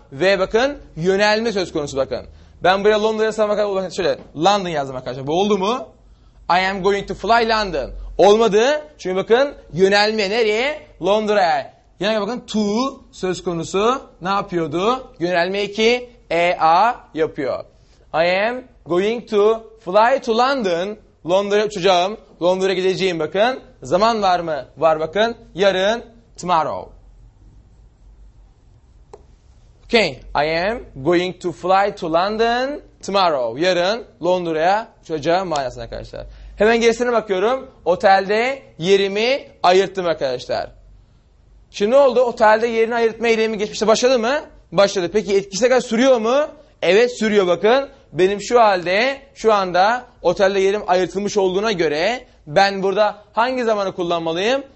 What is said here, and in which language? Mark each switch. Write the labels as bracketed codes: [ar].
[tr] Ve bakın yönelme söz konusu bakın. Ben buraya Londra'ya sarmak arkadaşlar. Şöyle London yazdım arkadaşlar. Bu oldu mu? [en] I am going to fly London. [tr] Olmadı. Çünkü bakın yönelme nereye? Londra'ya. Yine bakın to söz konusu ne yapıyordu? Yönelmeyi ki EA yapıyor. [en] I am going to fly to London. [tr] Londra'ya uçacağım. Londra'ya gideceğim bakın. Zaman var mı? Var bakın. Yarın tomorrow. Okay. [en] I am going to fly to London tomorrow. [tr] Yarın Londra'ya uçacağım manasına arkadaşlar. Hemen gerisine bakıyorum. Otelde yerimi ayırttım arkadaşlar. Şimdi ne oldu? Otelde yerini ayırtma eylemi geçmişte başladı mı? Başladı. Peki etkisi kadar sürüyor mu? Evet sürüyor bakın. Benim şu halde şu anda otelde yerim ayırtılmış olduğuna göre ben burada hangi zamanı kullanmalıyım?